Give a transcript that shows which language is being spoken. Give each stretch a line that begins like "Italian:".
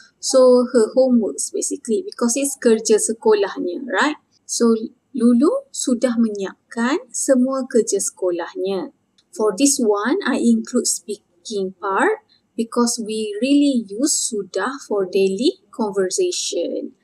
English: So, her homeworks basically because it's
Malay: kerja sekolahnya,
English: right?
Malay: So, Lulu sudah menyiapkan semua kerja sekolahnya.
English: For this one, I include speaking part because we really use sudah for daily conversation.